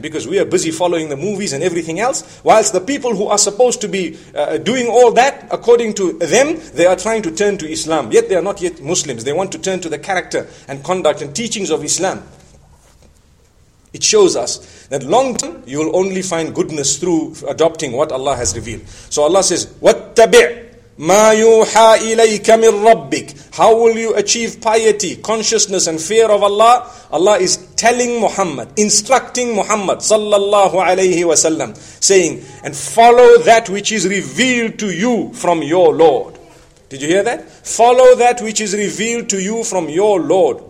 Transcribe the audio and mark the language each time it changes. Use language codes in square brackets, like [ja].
[en] Because we are busy following the movies and everything else, whilst the people who are supposed to be doing all that, according to them, they are trying to turn to Islam. Yet they are not yet Muslims. They want to turn to the character and conduct and teachings of Islam. It shows us that long term, you will only find goodness through adopting what Allah has revealed. So Allah says, [ar] وَاتَّبِعْ مَا يُوحَى إِلَيْكَ مِنْ رَبِّكَ. [en] How will you achieve piety, consciousness and fear of Allah? Allah is telling Muhammad, instructing Muhammad sallallahu alayhi wa sallam, saying, and follow that which is revealed to you from your Lord. Did you hear that? Follow that which is revealed to you from your Lord.